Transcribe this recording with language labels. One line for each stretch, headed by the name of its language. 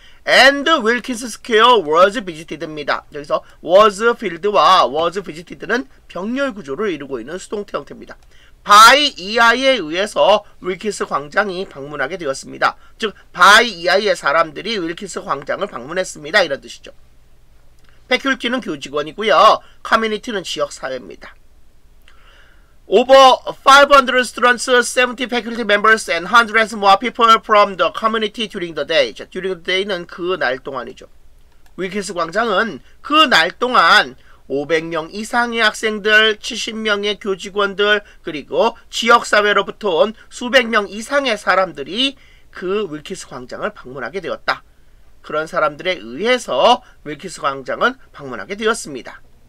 English: And Wilkins Square was visited
Korean: 입니다. 여기서 was filled와 was visited는 병렬 구조를 이루고 있는 수동태 형태입니다.
English: by EI
Korean: 에 의해서 윌킨스 광장이 방문하게 되었습니다. 즉 by EI의 사람들이 윌킨스 광장을 방문했습니다. 이런 뜻이죠. 패큘티는 교직원이고요. 커뮤니티는 지역사회입니다.
English: Over 500 students, 70 faculty members, and hundreds more people from the community during the day.
Korean: 자,
English: during the day
Korean: 는 그 날 동안이죠. 윌킨스 광장은 그 날 동안 500명 이상의 학생들, 70명의 교직원들, 그리고 지역사회로부터 온 수백 명 이상의 사람들이 그 윌킨스 광장을 방문하게 되었다. 그런 사람들에 의해서 윌킨스 광장은 방문하게 되었습니다.